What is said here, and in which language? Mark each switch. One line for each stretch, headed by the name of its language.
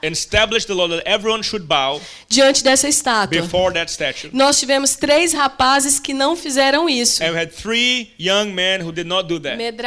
English: And established the law that everyone should bow
Portuguese: diante dessa estátua.
English: Before that statue.
Portuguese: Nós tivemos três rapazes que não fizeram isso.
English: And we had three young men who did not do that.